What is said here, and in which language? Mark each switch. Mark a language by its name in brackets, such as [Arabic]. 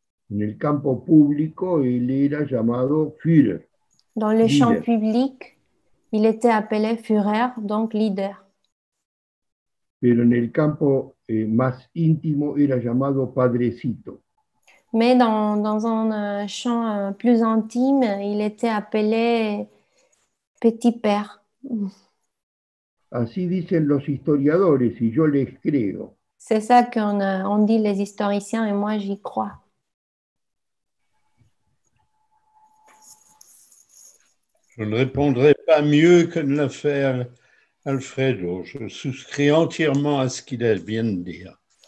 [Spanish] En el campo público, él era llamado Führer, [French] Dans le champ [Spanish] líder. [French] public, il était appelé Führer, donc leader. [Spanish] Pero en el campo más íntimo era llamado Padrecito. [French] Mais dans un champ plus intime, il était appelé petit père. [Spanish] Así dicen los historiadores y yo les creo. [French] C'est ça qu'on dit les historiciens et moi j'y crois. Je ne répondrai pas mieux que ne l'a fait Alfredo. Je souscris entièrement à ce qu'il vient de dire.